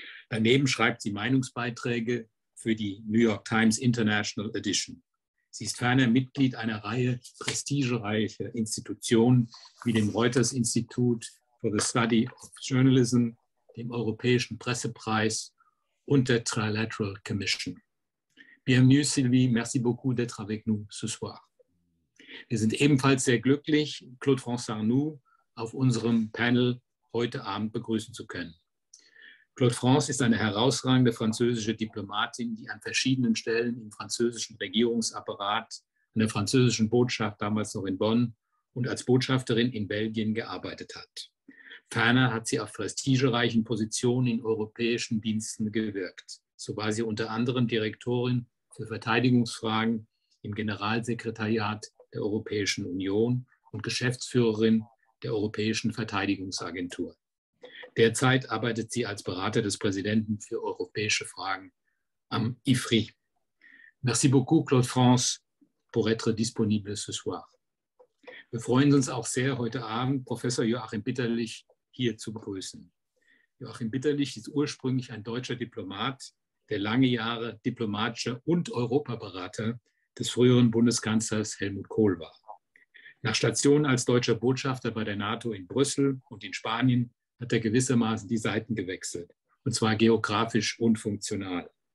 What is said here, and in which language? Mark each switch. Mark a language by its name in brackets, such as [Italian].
[German] Daneben schreibt sie Meinungsbeiträge für die New York Times International Edition. Sie ist ferner Mitglied einer Reihe prestigereicher Institutionen wie dem Reuters Institute for the Study of Journalism, dem Europäischen Pressepreis und der Trilateral Commission. [French] Bienvenue Sylvie, merci beaucoup d'être avec nous ce soir. [German] Wir sind ebenfalls sehr glücklich, Claude-François Arnoux auf unserem Panel heute Abend begrüßen zu können. Claude France ist eine herausragende französische Diplomatin, die an verschiedenen Stellen im französischen Regierungsapparat, an der französischen Botschaft damals noch in Bonn und als Botschafterin in Belgien gearbeitet hat. Ferner hat sie auf prestigereichen Positionen in europäischen Diensten gewirkt. So war sie unter anderem Direktorin für Verteidigungsfragen im Generalsekretariat der Europäischen Union und Geschäftsführerin der Europäischen Verteidigungsagentur. Derzeit arbeitet sie als Berater des Präsidenten für europäische Fragen am IFRI. [French] Merci beaucoup, Claude France, pour être disponible ce soir. [German] Wir freuen uns auch sehr, heute Abend Professor Joachim Bitterlich hier zu begrüßen. Joachim Bitterlich ist ursprünglich ein deutscher Diplomat, der lange Jahre diplomatischer und Europaberater des früheren Bundeskanzlers Helmut Kohl war. Nach Stationen als deutscher Botschafter bei der NATO in Brüssel und in Spanien hat er gewissermaßen die Seiten gewechselt, und zwar geografisch und funktional.